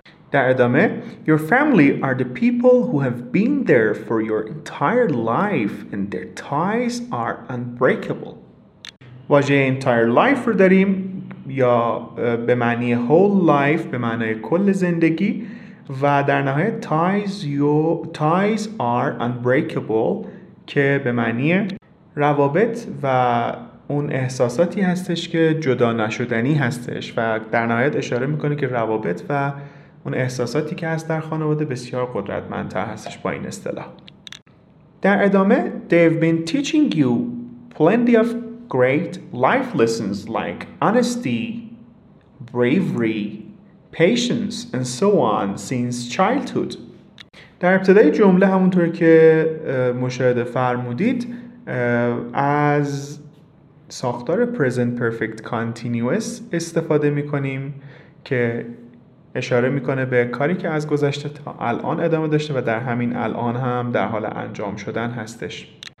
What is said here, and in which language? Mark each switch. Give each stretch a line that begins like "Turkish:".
Persian: در ادامه
English: your family are the people who have been there for your entire life and their ties are unbreakable.
Persian: واژه entire life رو داریم یا به معنی whole life به معنی کل زندگی و در نهایت
English: ties are unbreakable
Persian: که به معنی روابط و اون احساساتی هستش که جدا نشدنی هستش و در نهایت اشاره میکنه که روابط و اون احساساتی که هست در خانواده بسیار قدرتمندتر هستش با این اصطلاح. در ادامه
English: they've been teaching you plenty of great life lessons like honesty, bravery, patience and so on since childhood.
Persian: در ابتدای جمله همونطور که مشاهده فرمودید از ساختار present perfect continuous استفاده میکنیم که اشاره میکنه به کاری که از گذشته تا الان ادامه داشته و در همین الان هم در حال انجام شدن هستش.